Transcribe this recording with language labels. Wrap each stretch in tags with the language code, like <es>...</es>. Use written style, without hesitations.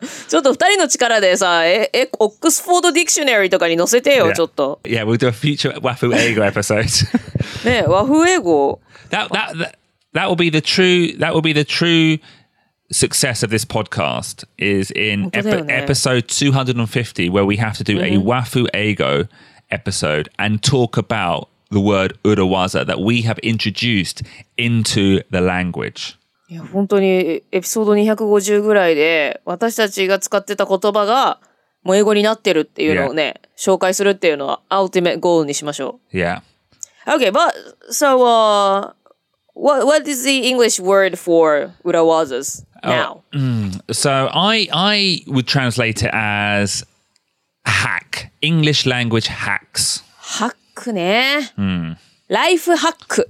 <ja>ちょっと二人の力でさ、オックスフォードディクショナリーとかに載せてよ、ちょっと。</ja> <en>Yeah, we'll do a future Wafu Ego episode.</en> <ja>ね、Wafu Ego。</ja> <en>That will be the true, that will be the true success of this podcast is in episode 250, where we have to do a Wafu Ego episode and talk about the word urawaza that we have introduced into the language.</en> <ja>いや、本当にエピソード250ぐらいで私たちが使ってた言葉がもう英語になってるっていうのをね、紹介するっていうのはアルティメットゴールにしましょう。</ja> <en>Yeah. Okay, but so, what is the English word for urawazas? Now. So I would translate it as hack. English language hacks. Hack, ね.Life hack.</en>